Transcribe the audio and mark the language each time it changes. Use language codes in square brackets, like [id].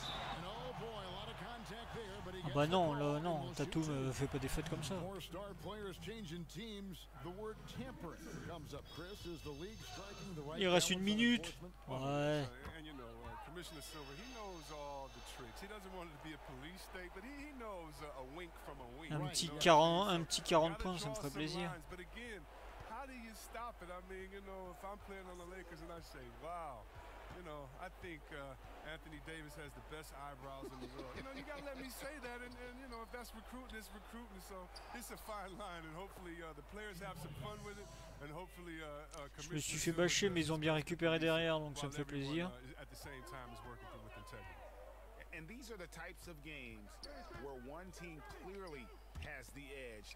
[en] And oh boy, a lot of contact there, but he gets. [fr] Bah non, là, non, Tatum fait pas des fêtes comme ça. [en] More star players changing teams. The word tempering comes up. Chris, is the league striking the right. [fr] Il reste une minute. Ouais. [en] And you know, Commissioner Silver, he knows all the tricks. He doesn't want it to be a police state, but he knows a wink from a wink. [fr] Un petit 40 points, ça me ferait plaisir. [en] But again, how do you stop it? I mean, you know, if I'm playing on the Lakers and I say, wow. You know, I think Anthony Davis has the best eyebrows in the world. You know, you gotta let me say that, and you know, if that's recruiting, it's recruiting. So it's a fine line, and hopefully the players have some fun with it, and hopefully. [fr] Je me suis fait bâcher, mais ils ont bien récupéré derrière, donc ça me fait plaisir. [en] At the same time, is working with integrity. And these are the types of games where one team clearly has the edge.